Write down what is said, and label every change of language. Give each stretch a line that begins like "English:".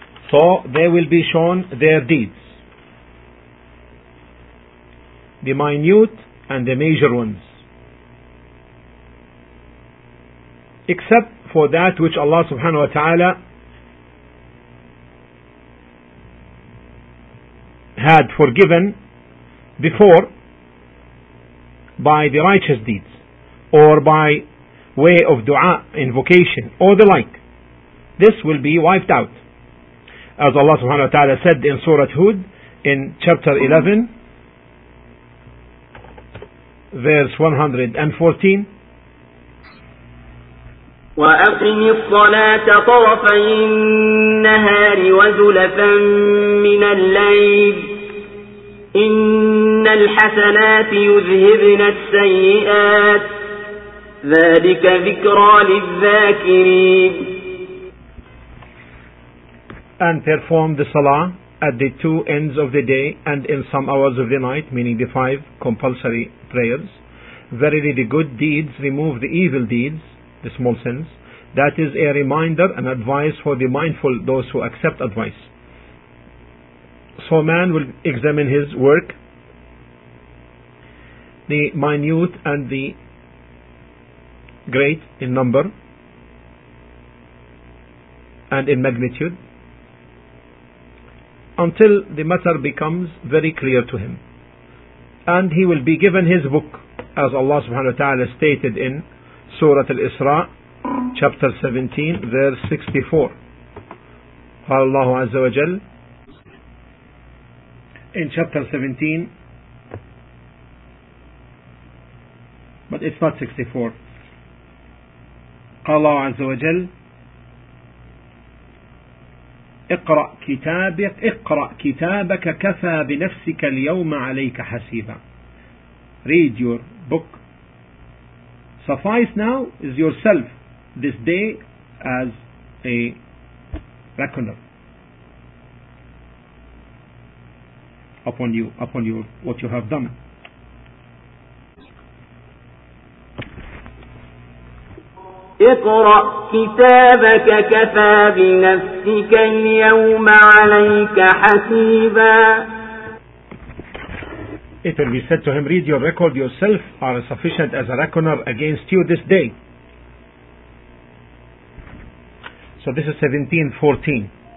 English: So they will be shown their deeds, the minute and the major ones, except for that which Allah subhanahu wa ta'ala had forgiven before by the righteous deeds, or by way of dua, invocation, or the like. This will be wiped out. As Allah subhanahu wa ta'ala said in Surah Hud, in chapter 11, verse 114,
Arabic: وأقم الصلاة طرفي النهار وزلفا من الليل إن الحسنات يذهبن السيئات ذلك ذكرى للذاكرين.
English: And perform the salah at the two ends of the day and in some hours of the night, meaning the five compulsory prayers. Verily the good deeds remove the evil deeds, the small sins. That is a reminder and advice for the mindful, those who accept advice. So man will examine his work, the minute and the great in number and in magnitude, until the matter becomes very clear to him. And he will be given his book, as Allah subhanahu wa ta'ala stated in Surah Al-Isra, chapter 17 verse 64.
Arabic: قال الله عز وجل
English: in chapter 17, but it's not 64.
Arabic: قال الله عز وجل اقرأ كتابك كفى بنفسك اليوم عليك حسيبا.
English: Read your book. Suffice now is yourself this day as a reckoner upon you, upon your what you have done.
Arabic: اقرأ كتابك كفى بنفسك اليوم عليك حسيبا.
English: It will be said to him, read your record yourself, are sufficient as a reckoner against you this day. So this is 17:14.